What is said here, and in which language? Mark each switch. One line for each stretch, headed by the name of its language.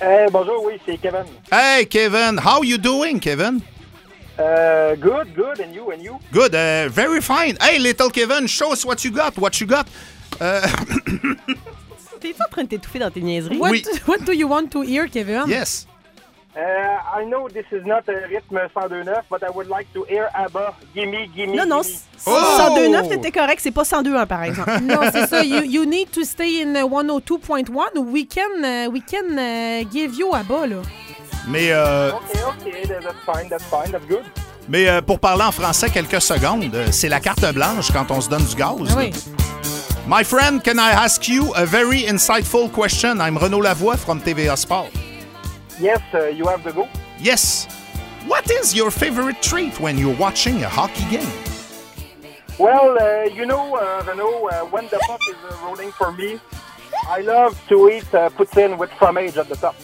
French: Bonjour, oui, c'est Kevin.
English: Hey, Kevin! How you doing, Kevin? Good, good. And you? Good, very fine. Hey, little Kevin, show us what you got.
French: T'es pas en train de t'étouffer dans tes niaiseries? Oui.
English: What do you want to hear, Kevin? Yes. I know this is not a rythme 102.9, but I would like to hear ABBA, Gimme, Gimme,
French: Non, non, oh! 102.9, t'étais correct, c'est pas 102.1, par exemple. Non, c'est ça.
English: You need to stay in 102.1. We can give you ABBA, là.
French: Mais,
English: OK, that's fine, that's good.
French: Mais pour parler en français quelques secondes, c'est la carte blanche quand on se donne du gaz. Ah, oui.
English: My friend, can I ask you a very insightful question? I'm Renaud Lavoie from TVA Sport. Yes, you have the go. Yes. What is your favorite treat when you're watching a hockey game? Well, you know, Renaud, when the puck is rolling for me, I love to eat poutine with fromage at the top.